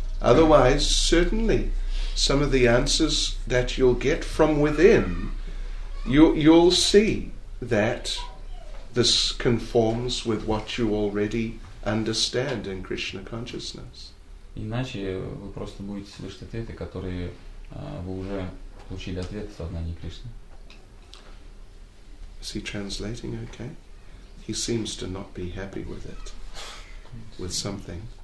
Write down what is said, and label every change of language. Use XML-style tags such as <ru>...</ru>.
<en>Otherwise, certainly, some of the answers that you'll get from within, you'll see that this conforms with what you already understand in Krishna consciousness.</en> <ru>Иначе вы просто будете слышать ответы, которые вы уже получили ответ в сознании Кришны.</ru> <en>Is he translating okay? He seems to not be happy with it, with something.</en>